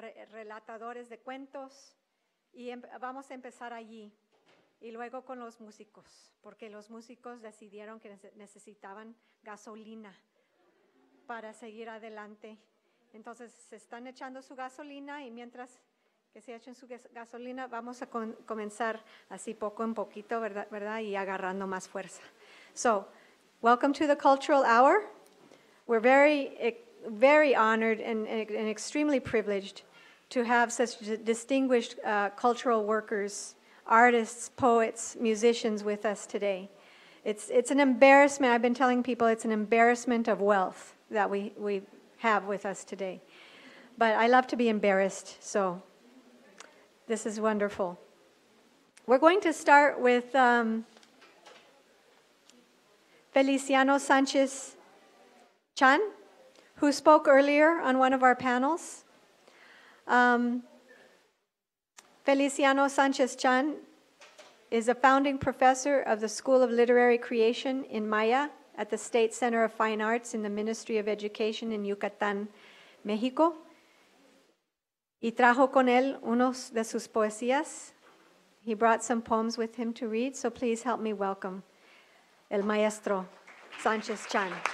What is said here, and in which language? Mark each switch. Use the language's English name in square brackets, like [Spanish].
[Spanish] relatadores de cuentos, y vamos a empezar allí, y luego con los músicos, porque los músicos decidieron que necesitaban gasolina para seguir adelante. Entonces, se están echando su gasolina, y mientras que se echen su gasolina, vamos a comenzar así poco en poquito, ¿verdad? Y agarrando más fuerza. [English] So, welcome to the Cultural Hour. We're very, very honored and extremely privileged to have such distinguished cultural workers, artists, poets, musicians with us today. It's an embarrassment. I've been telling people it's an embarrassment of wealth that we have with us today. But I love to be embarrassed, so this is wonderful. We're going to start with Feliciano Sanchez Chan, who spoke earlier on one of our panels. Feliciano Sanchez Chan is a founding professor of the School of Literary Creation in Maya at the State Center of Fine Arts in the Ministry of Education in Yucatán, Mexico. [Spanish] Y trajo con él unos de sus poesías. [English] He brought some poems with him to read, so please help me welcome el maestro Sanchez Chan.